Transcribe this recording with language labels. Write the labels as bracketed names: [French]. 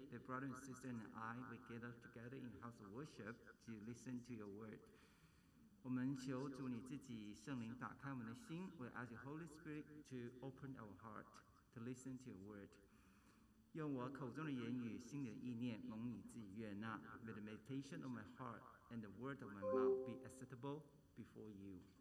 [English] The brother and sister and I, we gather together in house of worship to listen to your word. [Chinese] 我们求主你自己圣灵打开我们的心。 [English] We ask the Holy Spirit to open our heart to listen to your word. [Chinese] 用我口中的言语、心里的意念，蒙你自己悦纳。 [English] May the meditation of my heart and the word of my mouth be acceptable before you.